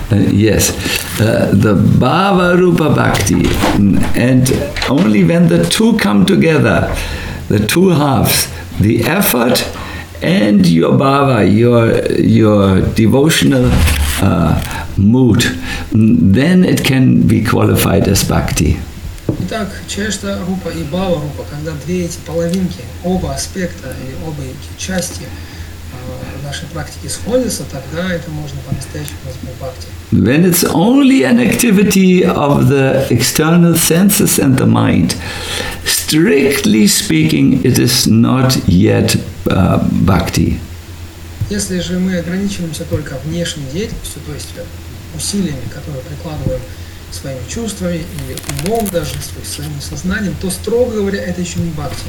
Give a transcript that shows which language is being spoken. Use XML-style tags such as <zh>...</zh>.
<en>Yes, the bhava rupa bhakti, and only when the two come together, the two halves, the effort and your bhava, your devotional mood, then it can be qualified as bhakti.</en> <ru>Итак, чешта рупа и бхава рупа, когда две эти половинки, оба аспекта или оба эти части нашей практики сходятся, тогда это можно по-настоящему назвать бхакти.</ru> <en>When it's only an activity of the external senses and the mind, strictly speaking, it is not yet bhakti.</en> <ru>Если же мы ограничиваемся только внешней деятельностью, то есть усилиями, которые прикладываем своими чувствами или умом даже, своим сознанием, то, строго говоря, это еще не бхакти.</ru>